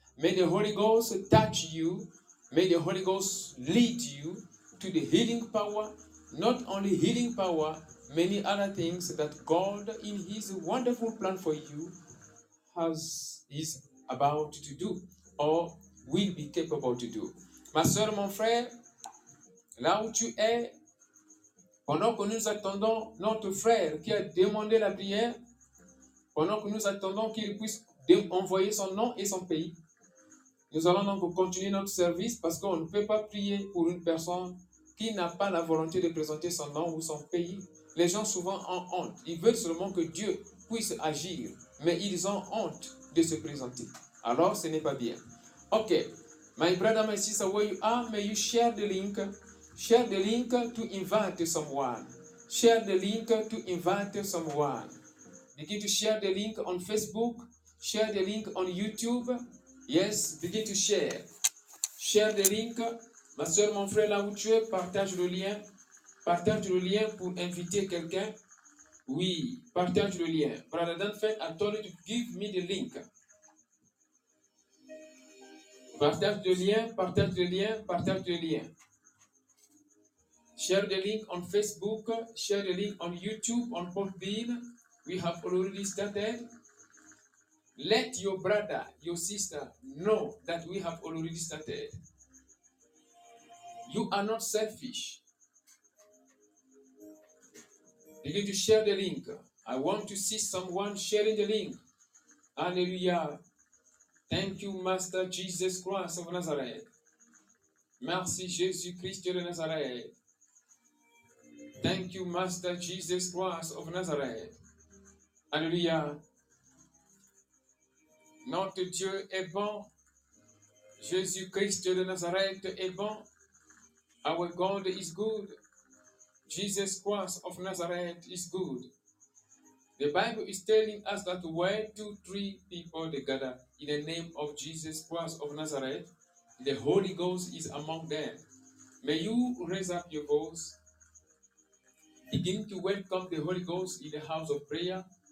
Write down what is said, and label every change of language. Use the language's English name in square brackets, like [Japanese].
[English] May the Holy Ghost touch you. May the Holy Ghost lead you to the healing power. Not only healing power, many other things that God in his wonderful plan for you is about to do or will be capable to do. [French] Ma soeur, mon frère, là où tu es, pendant que nous attendons notre frère qui a demandé la prière, pendant que nous attendons qu'il puisse envoyer son nom et son pays, nous allons donc continuer notre service parce qu'on ne peut pas prier pour une personne qui n'a pas la volonté de présenter son nom ou son pays. Les gens souvent ont honte. Ils veulent seulement que Dieu puisse agir, mais ils ont honte de se présenter. Alors, ce n'est pas bien. Ok, [English] My brother, my sister, where you are, may you share the link. Share the link to invite someone. Share the link to invite someone. Begin to share the link on Facebook. Share the link on YouTube. Yes, begin to share. Share the link. [French] Ma soeur, mon frère, là où tu es, partage le lien. Partage le lien pour inviter quelqu'un. Oui, partage le lien. [English] Brother Dan, I told you to give me the link. [French] Partage le lien, partage le lien, partage le lien. [English] Share the link on Facebook, share the link on YouTube, on Podbean. We have already started. Let your brother, your sister know that we have already started. You are not selfish. You need to share the link. I want to see someone sharing the link. Hallelujah. Thank you, Master Jesus Christ of Nazareth. [French] Merci, Jésus Christ de Nazareth. [English] Thank you, Master Jesus Christ of Nazareth. [French] Alléluia. Notre Dieu est bon. Jésus Christ de Nazareth est bon. [English] Our God is good. Jesus Christ of Nazareth is good. The Bible is telling us that where two, three people they gather in the name of Jesus Christ of Nazareth, the Holy Ghost is among them. May you raise up your voice. Begin to welcome the Holy Ghost in the house of prayer.